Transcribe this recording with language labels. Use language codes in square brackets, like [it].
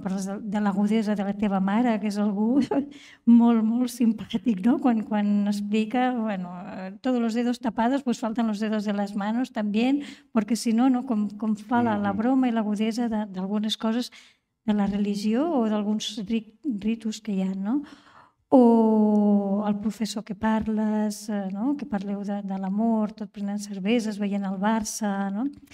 [ca] Parles de l'agudesa de la teva mare, que és algú molt, molt simpàtic, no? Quan explica, [es] bueno, todos los dedos tapados, pues faltan los dedos de las manos también, porque si no, no? [ca] Com fa la broma i l'agudesa d'algunes coses de la religió o d'alguns ritus que hi ha, no? O el professor que parles, no? Que parleu de l'amor, tot prenent cerveses, veient el Barça, no?